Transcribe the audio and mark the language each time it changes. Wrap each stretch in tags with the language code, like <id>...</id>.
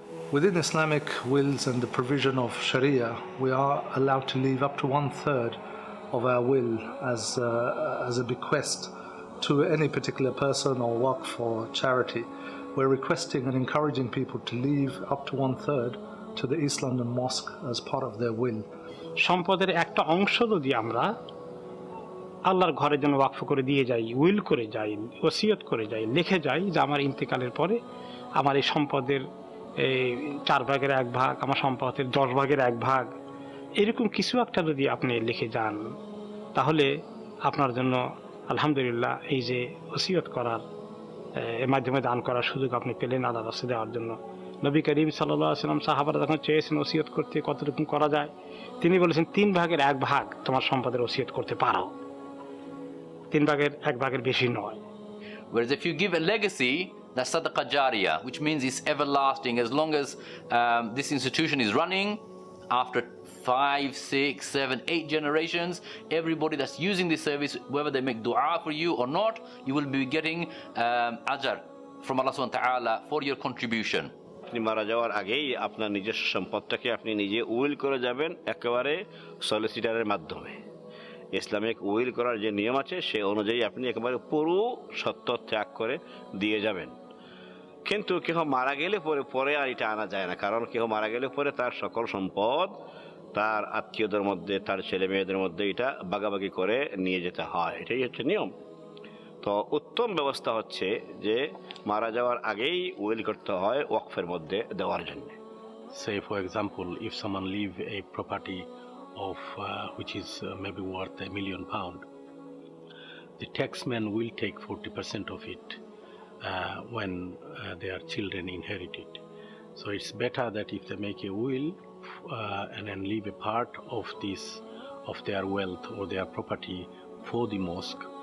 <en>Within Islamic wills and the provision of Sharia, we are allowed to leave up to one-third of our will as a bequest to any particular person or waqf or charity. We're requesting and encouraging people to leave up to one-third to the East London Mosque as part of their will.</en> <bn>সম্পদের একটা অংশ যদি আমরা আল্লাহর ঘরের জন্য ওয়াকফ করে দিয়ে যাই উইল করে যাই ওসিয়ত করে যাই লিখে যাই যে আমার ইন্তেকালের পরে আমার এই সম্পদের এই চার ভাগের এক ভাগ আমার সম্পদের দশ ভাগের এক ভাগ এরকম কিছু একটা যদি আপনি লিখে যান তাহলে আপনার জন্য আলহামদুলিল্লাহ এই যে ওসিয়ত করার এর মাধ্যমে দান করার সুযোগ আপনি পেলেন আল্লাহর রাস্তায় দেওয়ার জন্য। নবী করিম সাল্লাল্লাহু আলাইহি সাল্লাম সাহাবারা যখন চেয়েছেন ওসিয়ত করতে কতরকম করা যায়, তিনি বলেছেন তিন ভাগের এক ভাগ তোমার সম্পদের ওসিয়ত করতে পারো, তিন ভাগের এক ভাগের বেশি নয়।</bn> <en>Whereas if you give a legacy, that's sadaqa jariya, which means it's everlasting. As long as this institution is running, after 5, 6, 7, 8 generations, everybody that's using this service, whether they make dua for you or not, you will be getting ajar from Allah subhanahu wa ta'ala for your contribution.</en> <bn>আপনি মারা যাওয়ার আগেই আপনার নিজের সম্পদটাকে আপনি নিজে will করে যাবেন একেবারে সলিসিটারের মাধ্যমে। ইসলামিক উইল করার যে নিয়ম আছে সে অনুযায়ী আপনি একেবারে পুরো সত্ত্ব ত্যাগ করে দিয়ে যাবেন। কিন্তু কেহ মারা গেলে পরে পরে আর এটা আনা যায় না, কারণ কেহ মারা গেলে পরে তার সকল সম্পদ তার আত্মীয়দের মধ্যে, তার ছেলে মেয়েদের মধ্যে এটা ভাগাভাগি করে নিয়ে যেতে হয়, এটাই হচ্ছে নিয়ম। তো উত্তম ব্যবস্থা হচ্ছে যে মারা যাওয়ার আগেই উইল করতে হয় ওয়াকফের মধ্যে দেওয়ার জন্য।</bn> <en>Say for example, if someone leave a property of which is maybe worth £1 million, the taxman will take 40% of it when their children inherit it. So it's better that if they make a will and then leave a part of this, of their wealth or their property for the mosque.</en>